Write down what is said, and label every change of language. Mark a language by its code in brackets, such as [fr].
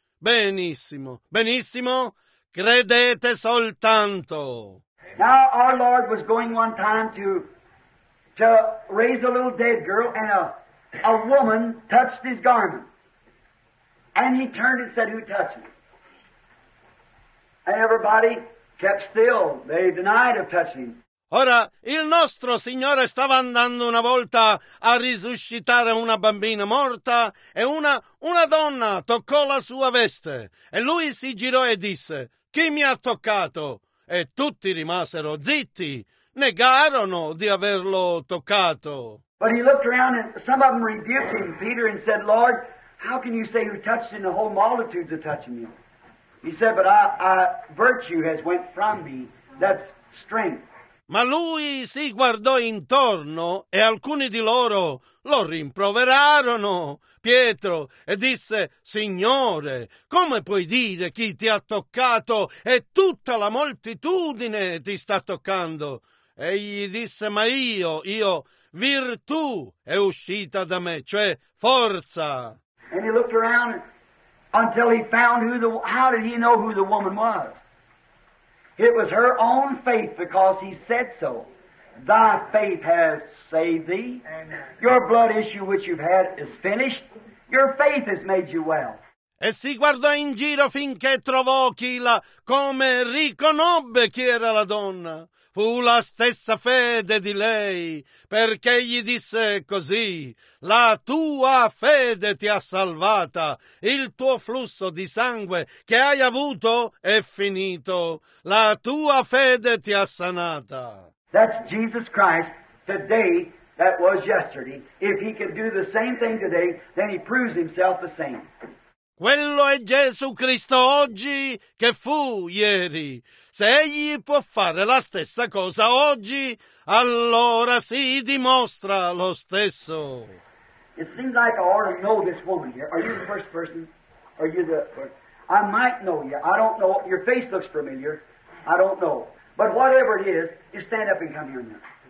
[it] Benissimo, benissimo, credete soltanto. [en] Now our Lord was going one time to raise a little dead girl, and a woman touched his garment. And he turned and said, who touched me? And everybody kept still. They denied of touching. [it] Ora, il nostro Signore stava andando una volta a risuscitare una bambina morta e una donna toccò la sua veste e lui si girò e disse: «Chi mi ha toccato?» E tutti rimasero zitti, negarono di averlo toccato. [en] But he looked around and some of them rebuked him, Peter, and said, Lord, how can you say you touched him? The whole multitudes are touching you. He said, but I virtue has went from me, that's strength. [it] Ma lui si guardò intorno e alcuni di loro lo rimproverarono, Pietro, e disse, Signore, come puoi dire chi ti ha toccato e tutta la moltitudine ti sta toccando? Egli disse, ma io, virtù è uscita da me, cioè forza. [en] And he looked around until he found how did he know who the woman was? It was her own faith because he said so. Thy faith has saved thee. Amen. Your blood issue which you've had is finished. Your faith has made you well. [it] E si guardò in giro finché trovò come riconobbe chi era la donna. Fu la stessa fede di lei, perché gli disse così, la tua fede ti ha salvata, il tuo flusso di sangue che hai avuto è finito, la tua fede ti ha sanata. [en] That's Jesus Christ, today, that was yesterday. If he can do the same thing today, then he proves himself the same. [it] Quello è Gesù Cristo oggi che fu ieri. Se egli può fare la stessa cosa oggi, allora si dimostra lo stesso. [en] It seems like I ought to know this woman here. Are you the first person? Are you I might know you. I don't know. Your face looks familiar. I don't know. But whatever it is, you stand up and come here now.